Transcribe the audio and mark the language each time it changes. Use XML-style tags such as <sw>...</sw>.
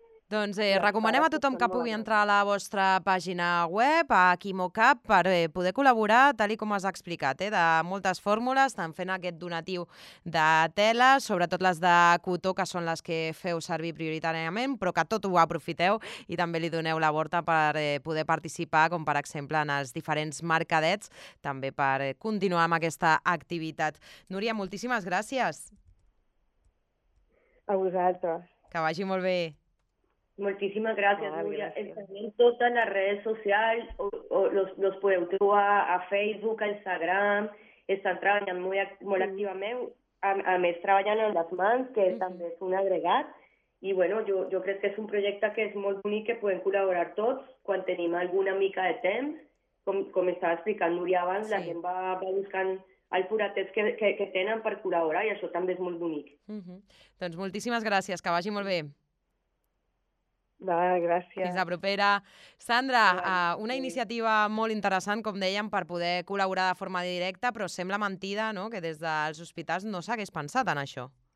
<ca>Doncs recomanem a tothom que pugui entrar a la vostra pàgina web, a Quimocap, per poder col·laborar, tal com has explicat, de moltes fórmules, tant fent aquest donatiu de teles, sobretot les de cotó, que són les que feu servir prioritàriament, però que tot ho aprofiteu i també li doneu la volta per poder participar, com per exemple en els diferents mercadets, també per continuar amb aquesta activitat. Núria, moltíssimes gràcies. A vosaltres. Que vagi molt bé.</ca> <es>Muchísimas gracias, Núria. Están en todas las redes sociales, los podemos trobar a Facebook, a Instagram, están trabajando muy, muy activamente, a mes trabajan en las mans, que también es un agregat, y bueno, yo creo que es un proyecto que es muy bonito, que pueden colaborar todos, cuando tenemos</es> <ca>alguna mica de temps,</ca> <es>como estaba explicando Núria abans, la gente va buscando el curatet que tenen per colaborar,</es> <ca>i això també és molt bonic. Doncs moltíssimes gràcies, que vagi molt bé. Gràcies. Fins la propera. Sandra, una iniciativa molt interessant, com dèiem, per poder col·laborar de forma directa, però sembla mentida, no?, que des dels hospitals no s'hagués pensat en això.</ca>